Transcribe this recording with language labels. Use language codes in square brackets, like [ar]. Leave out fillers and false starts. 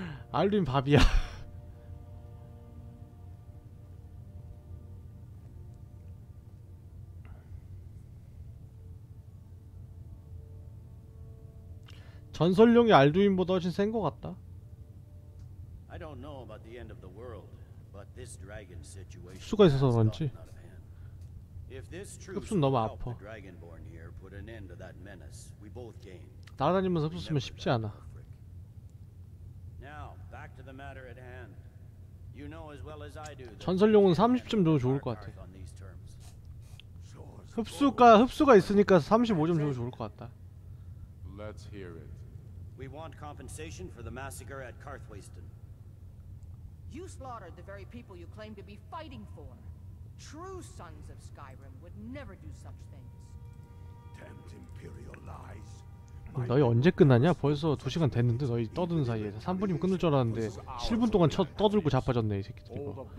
[ko] 알린 밥이야. 전설용의 알두인보다 훨씬 센 것 같다. [en] I don't know about the end of the world, but this dragon situation. [ko] 흡수가 있어서 그런지. 흡수 너무 아파. 날아다니면서 흡수하면 쉽지 않아. [en] Now, back to the matter at hand. You know as well as I do. [ko] 전설용은 30점 줘도 좋을 것 같아. 흡수가 있으니까 35점 줘도 좋을 것 같다. [en] Let's hear it. We want compensation for the massacre at Carthwaisten. You slaughtered the very people you claim to be fighting for. True sons of Skyrim would never do such things. Tempt imperial lies. [ko] 너희 언제 끝나냐? 벌써 2시간 됐는데 너희 떠드는 사이에 3분이면 끝날 줄 알았는데 7분 동안 쳐 떠들고 자빠졌네 이 새끼들.